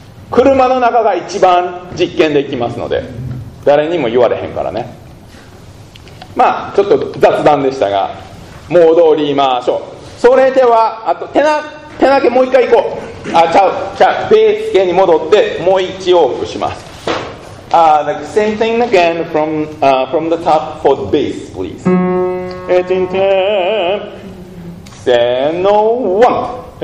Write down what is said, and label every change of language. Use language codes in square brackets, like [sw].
[ja] 車の中が一番実験できますので誰にも言われへんからね。まあちょっと雑談でしたが戻りましょう。それではあと手なけもう一回いこう。あ、ちゃうベース系に戻ってもう一往復します。 [en] Like same thing again from the top for the bass please. [ja] エティンテーせーのワン。